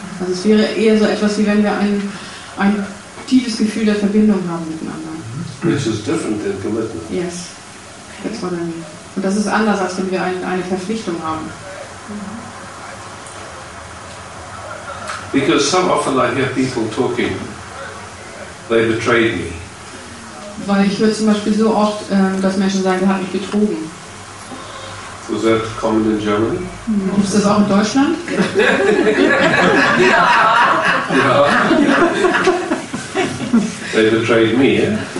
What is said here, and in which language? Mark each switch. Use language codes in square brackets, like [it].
[de] Also es wäre eher so etwas wie wenn wir ein tiefes Gefühl der Verbindung haben miteinander. [en] Which is different than commitment. Yes, that's what I mean. [de] Und das ist anders, als wenn wir eine Verpflichtung haben. [en] Because so often I hear people talking, they betrayed me. [de] Weil ich höre zum Beispiel so oft, dass Menschen sagen, der hat mich betrogen. [en] Was that common in Germany? [de] Ist das auch in Deutschland? Ja. Ja. [en] They betrayed me, yeah?